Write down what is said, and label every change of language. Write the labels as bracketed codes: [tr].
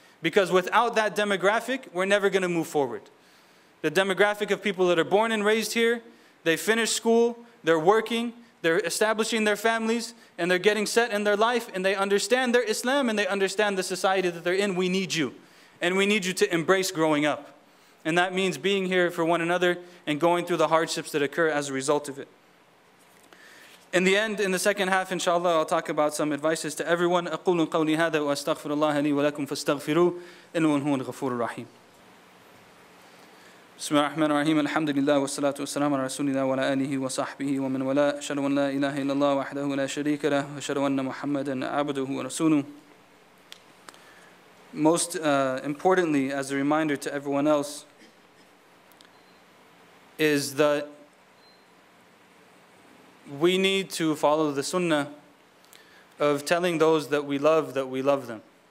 [en] Because without that demographic, we're never going to move forward. The demographic of people that are born and raised here, they finish school, they're working, they're establishing their families, and they're getting set in their life, and they understand their Islam, and they understand the society that they're in. We need you. and we need you to embrace growing up. And that means being here for one another and going through the hardships that occur as a result of it. In the end, in the second half, inshallah, I'll talk about some advices to everyone. [ar] أَقُولُ قَوْلِي هَذَا وَأَسْتَغْفِرُ اللَّهَ لِي وَلَكُمْ فَاسْتَغْفِرُوا إِنُّهُ الْغَفُورُ الرَّحِيمُ بسم الله الرحمن الرحيم الحمد لله والصلاة والسلام على رسول الله وعلى آله وصحبه ومن ولا أشهد أن لا إله إلا الله وحده لا شريك له وأشهد أن محمدا عبده ورسوله. [en] Most importantly, as a reminder to everyone else, is that we need to follow the sunnah of telling those that we love them.